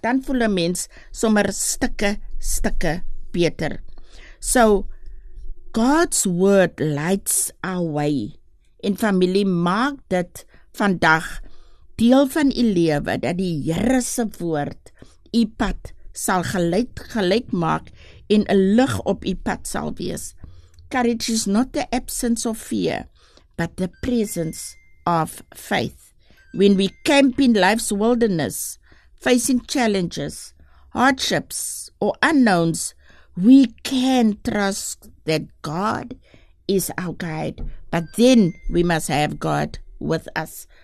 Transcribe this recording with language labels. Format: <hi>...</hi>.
<af>Dan voel een mens sommer stikke beter.</af> <en>So, God's word lights our way.</en> <af>En familie, maak dit vandag deel van die lewe, dat die Here se woord die pad sal gelyk maak en 'n lig op die pad sal wees.</af> <en>Courage is not the absence of fear, but the presence of faith. When we camp in life's wilderness, facing challenges, hardships, or unknowns, we can trust that God is our guide, but then we must have God with us.</en>